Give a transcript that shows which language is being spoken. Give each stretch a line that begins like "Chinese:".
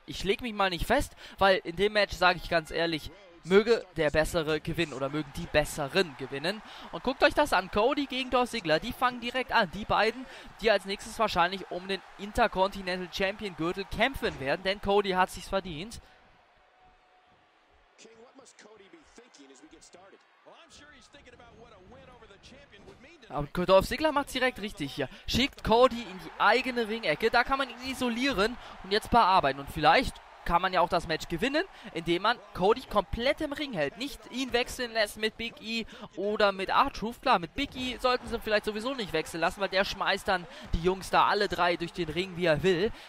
German: Ich lege mich mal nicht fest, weil in dem Match, sage ich ganz ehrlich, möge der Bessere gewinnen oder mögen die Besseren gewinnen. Und guckt euch das an, Cody gegen Dolph Ziggler, die fangen direkt an. Die beiden, die als nächstes wahrscheinlich um den Intercontinental Champion Gürtel kämpfen werden, denn Cody hat sich's verdient.
English: King, what must Cody be thinking as we get started? Well, I'm sure he's thinking about what a win over the champion would mean.
German: Aber Dolph Ziggler macht es direkt richtig hier. Schickt Cody in die eigene Ringecke. Da kann man ihn isolieren und jetzt bearbeiten. Und vielleicht kann man ja auch das Match gewinnen, indem man Cody komplett im Ring hält. Nicht ihn wechseln lässt mit Big E oder mit R-Truth. Klar, mit Big E sollten sie vielleicht sowieso nicht wechseln lassen, weil der schmeißt dann die Jungs da alle drei durch den Ring, wie er will.